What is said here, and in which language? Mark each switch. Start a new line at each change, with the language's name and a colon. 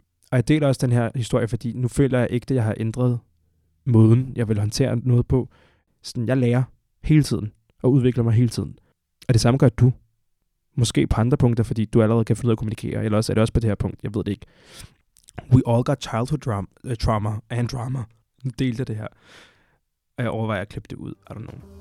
Danish: Og jeg deler også den her historie, fordi nu føler jeg ikke, at jeg har ændret måden, jeg vil håndtere noget på. Sådan, jeg lærer hele tiden, og udvikler mig hele tiden. Og det samme gør du. Måske på andre punkter, fordi du allerede kan finde ud af at kommunikere, eller også er det også på det her punkt, jeg ved det ikke.
English: We all got childhood trauma and drama.
Danish: Nu delte jeg det her. Og jeg overvejer at klippe det ud.
English: I don't know.